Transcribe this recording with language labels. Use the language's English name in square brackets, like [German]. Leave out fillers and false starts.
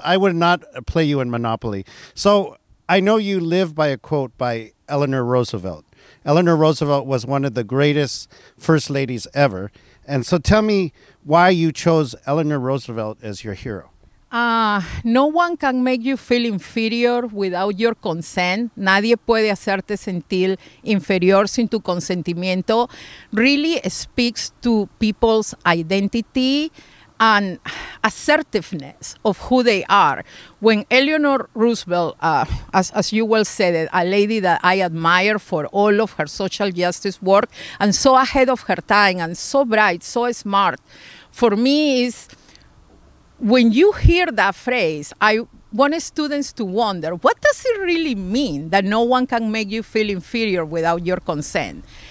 [English] I would not play you in Monopoly. So I know you live by a quote by Eleanor Roosevelt. Eleanor Roosevelt was one of the greatest first ladies ever. And so tell me why you chose Eleanor Roosevelt as your hero. No one can make you feel inferior without your consent. [Spanish] Nadie puede hacerte sentir inferior sin tu consentimiento. [English] Really speaks to people's identity and assertiveness of who they are. When Eleanor Roosevelt, as you well said it, a lady that I admire for all of her social justice work, and so ahead of her time, and so bright, so smart, for me is, when you hear that phrase, I want students to wonder, what does it really mean that no one can make you feel inferior without your consent?